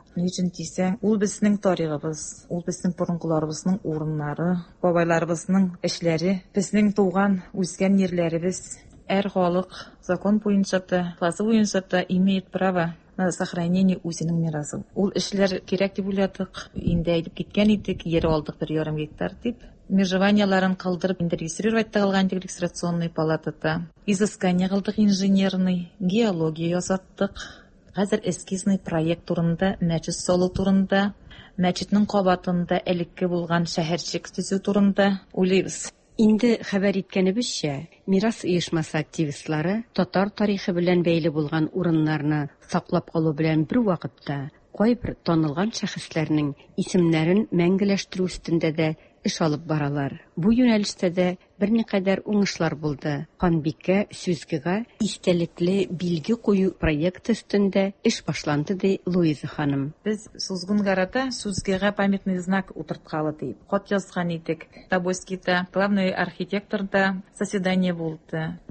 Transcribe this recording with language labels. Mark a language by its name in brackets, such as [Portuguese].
[Tatar] Нечен дисәң, ул безнең тарихыбыз, ул безнең борынгыларыбызның урыннары, бабайларыбызның эшләре, безнең туган үскән йерләребез, әр халык закон буенча да, класс буенча да [Russian] имеет право на сохранение [Tatar] үзенең мирасын. Ул эшләр кирәк дип уйладык, инде әйтеп киткән идек, йер алдык 1.5 гектар дип. Межеваниеларын калдырып, инде регистрировать алган дип регистрационный палатада. Изыскание кылдык инженерный, геология ясаттык. Хәзер эскизный проект турында, мәчет салу турында, мәчетнең кабатында элекке булган шәһәрчек төзү турында уйлыйбыз. Инде хәбәр иткәнебезчә, мирас оешмасы активистлары татар тарихы белән бәйле булган урыннарны саклап калу белән бер вакытта кайбер танылган шәхесләрнең исемнәрен мәңгеләштерү өстендә дә эш алып баралар. Бу юнәлештә дә берникадәр уңышлар булды. Ханбикә Сүзгега истәлекле билге кую проекты өстендә эш башланды, ди Луиза ханым. Без Сүзгенгарада Сүзгега памятный знак утырткалы дип хат язган идек. Табойскийда главный архитекторда заседание булды.